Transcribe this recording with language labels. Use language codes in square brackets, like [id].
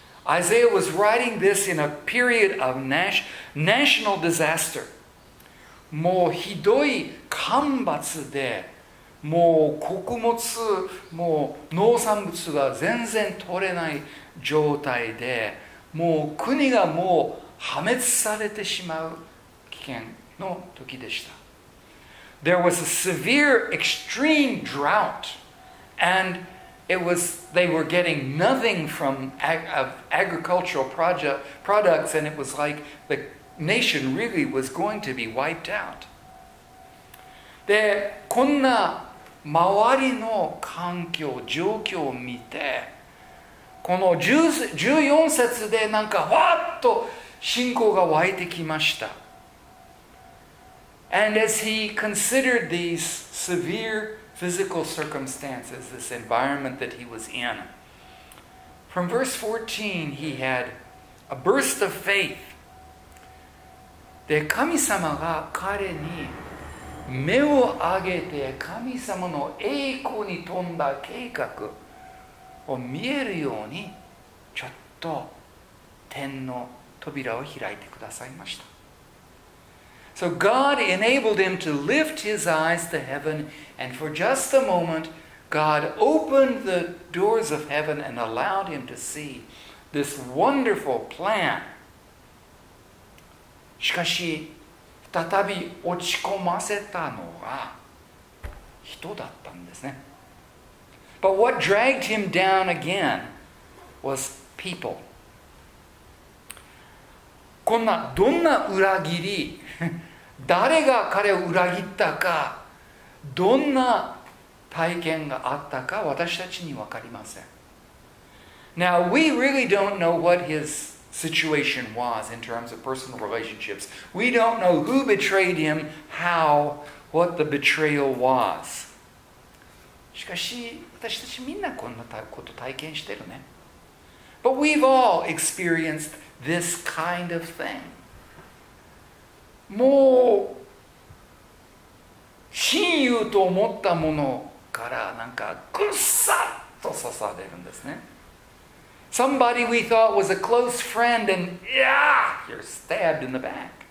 [en] Isaiah was writing this in a period of national disaster. [ja] もうひどい干ばつで、もう穀物、もう農産物が全然取れない状態で、もう国がもう破滅されてしまう危険の時でした。 [en] There was a severe extreme drought and it was, they were getting nothing from agricultural products and it was like the nation really was going to be wiped out. [ja] で、こんな周りの環境、状況を見て、この14節でなんかわーっと信仰が湧いてきました。 [en] And as he considered these severe physical circumstances, this environment that he was in, from verse 14, he had a burst of faith. [ja] で、神様が彼に目を上げて神様の栄光に富んだ計画を見えるようにちょっと天の扉を開いてくださいました。 [en] So God enabled him to lift his eyes to heaven and for just a moment God opened the doors of heaven and allowed him to see this wonderful plan. [ja] しかし再び落ち込ませたのが人だったんですね。 [en] But what dragged him down again was people. [ja] こんなどんな裏切り、誰が彼を裏切ったか、どんな体験があったか私たちに分かりません。 [en] Now we really don't know what his situation was in terms of personal relationships. We don't know who betrayed him, how, what the betrayal was. [ja] しかし私たちみんなこんなこと体験してるね。 [en] But we've all experienced this kind of thing. [ja] もう親友と思ったものからなんかぐさっと刺されるんですね。 [en] Somebody we thought was a close friend and yeah, you're stabbed in the back.